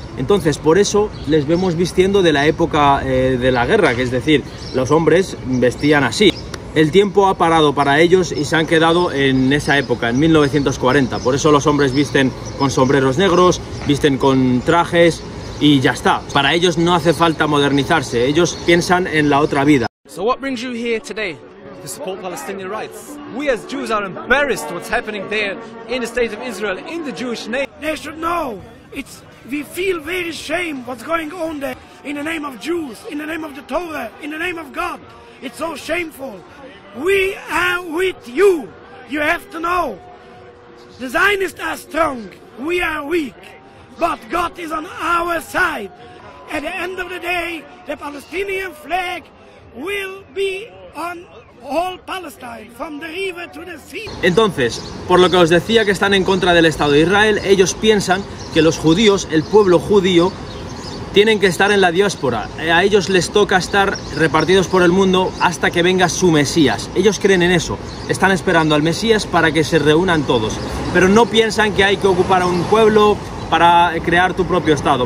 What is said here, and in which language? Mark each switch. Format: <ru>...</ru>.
<es>Entonces, por eso les vemos vistiendo de la época de la guerra, que es decir, los hombres vestían así. El tiempo ha parado para ellos y se han quedado en esa época, en 1940. Por eso los hombres visten con sombreros negros, visten con trajes y ya está. Para ellos no hace falta modernizarse, ellos piensan en la otra vida.</es> <en>So what brings you here today to support Palestinian rights? We as Jews are embarrassed what's happening there in the state of Israel, in the Jewish nation. They should know. We feel very shame what's going on there in the name of Jews, in the name of the Torah, in the name of God. It's so shameful. We are with you. You have to know. The Zionists are strong. We are weak. But God is on our side. At the end of the day, the Palestinian flag will be on all Palestine, from the river to the sea.</en> <es>Entonces, por lo que os decía que están en contra del Estado de Israel, ellos piensan que los judíos, el pueblo judío, tienen que estar en la diáspora. A ellos les toca estar repartidos por el mundo hasta que venga su Mesías. Ellos creen en eso. Están esperando al Mesías para que se reúnan todos. Pero no piensan que hay que ocupar a un pueblo para crear tu propio Estado.</es>